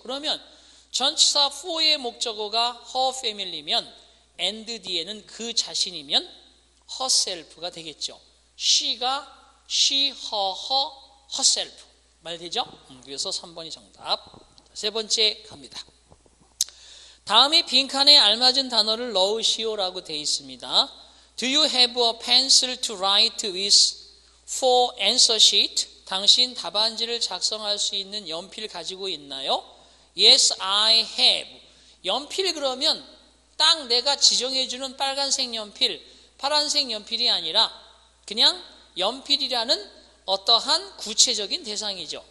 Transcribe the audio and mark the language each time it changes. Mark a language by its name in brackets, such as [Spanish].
[Korean] 그러면 전치사 for의 목적어가 her family면 and 뒤에는 그 자신이면 herself가 되겠죠. [English] She가 She, her, her, herself. [Korean] 말 되죠? 그래서 3번이 정답. 세 번째 갑니다. 다음이 빈칸에 알맞은 단어를 넣으시오라고 되어 있습니다. [English] Do you have a pencil to write with for answer sheet? [Korean] 당신 답안지를 작성할 수 있는 연필 가지고 있나요? [English] Yes, I have. [Korean] 연필 그러면 딱 내가 지정해주는 빨간색 연필, 파란색 연필이 아니라 그냥 연필이라는 어떠한 구체적인 대상이죠.